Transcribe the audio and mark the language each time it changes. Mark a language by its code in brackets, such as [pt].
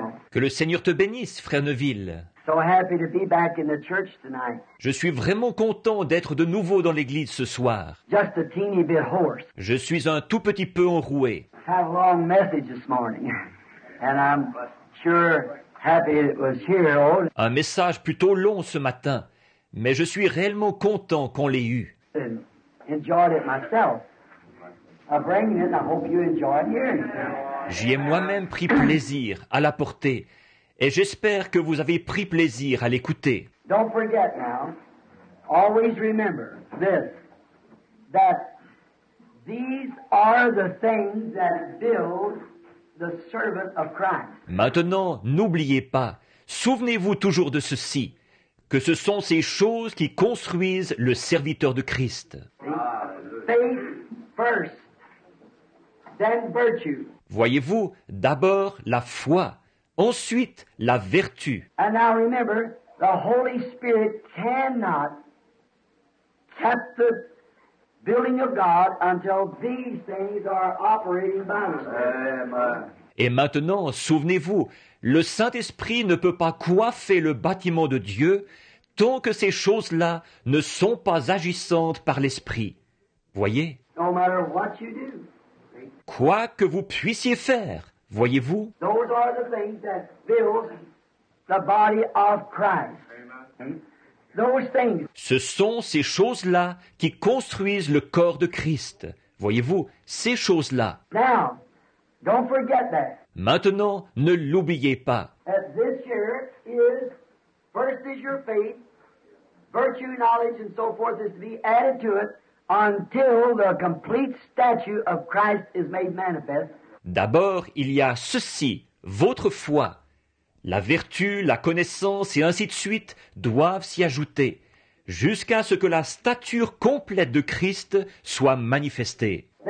[fr] Que le Seigneur te bénisse, Frère Neville. [en] So happy to be back in the church tonight. [fr] Je suis vraiment content d'être de nouveau dans l'église ce soir. [en] Just a teeny bit hoarse. [fr] Je suis un tout petit peu enroué. [en] I had a long message this morning, and I'm sure happy it was here. [fr] Un message plutôt long ce matin, mais je suis réellement content qu'on l'ait eu. [en] Enjoyed it myself. I'm bringing it. I hope you enjoyed hearing it. [fr] J'y ai moi-même pris plaisir à la porter. Et j'espère que vous avez pris plaisir à l'écouter. [en] Don't forget now, always remember this, that these are the things that build the servant of Christ. [fr] Maintenant, n'oubliez pas, souvenez-vous toujours de ceci, que ce sont ces choses qui construisent le serviteur de Christ. [en] Faith first, then virtue. [fr] Voyez-vous, d'abord la foi. Ensuite, la vertu. [en] And now remember, the Holy Spirit cannot cap the building of God until these things are operating by us. [fr] Et maintenant, souvenez-vous, le Saint-Esprit ne peut pas coiffer le bâtiment de Dieu tant que ces choses-là ne sont pas agissantes par l'Esprit. Voyez? [en] No matter what you do. [fr] Quoi que vous puissiez faire, voyez-vous, [en] those are the things that build the body of Christ. Those things. [fr] Ce sont ces choses-là qui construisent le corps de Christ. Voyez-vous, ces choses-là. [en] Now, don't forget that. [fr] Maintenant, ne l'oubliez pas. [en] This year is, first is your faith, virtue, knowledge, and so forth is to be added to it until the complete statue of Christ is made manifest. [fr] D'abord, il y a ceci, votre foi. La vertu, la connaissance et ainsi de suite doivent s'y ajouter jusqu'à ce que la stature complète de Christ soit manifestée.